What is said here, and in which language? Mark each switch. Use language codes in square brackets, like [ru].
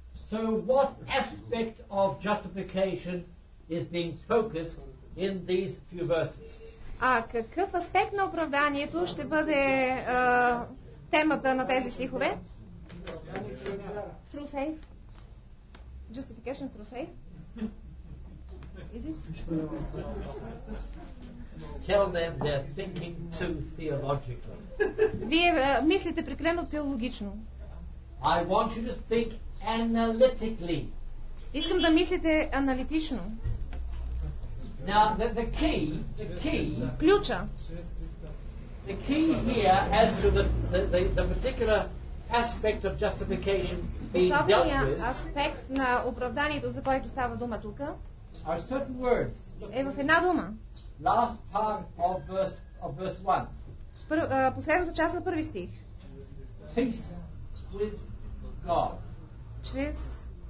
[en] So what aspect of justification is being focused in these few verses? [bg] А какъв аспект на оправданието ще бъде темата на тези стихове? [en] Through faith. Justification through faith. Is it? Tell them they're thinking too theologically. [bg] Вие мислите прекалено теологично. [en] I want you to think analytically. [bg] Искам да мислите аналитично. [en] Now the key, [bg] ключа. [en] The key here as to the particular aspect of justification being dealt with. [bg] Особеният аспект на оправданието, за който става дума тука, [en] are certain words. [bg] Е в една дума. [en] Last part of verse 1. [bg] Последната част на първи стих. [en] Peace with God. [bg] Чрез...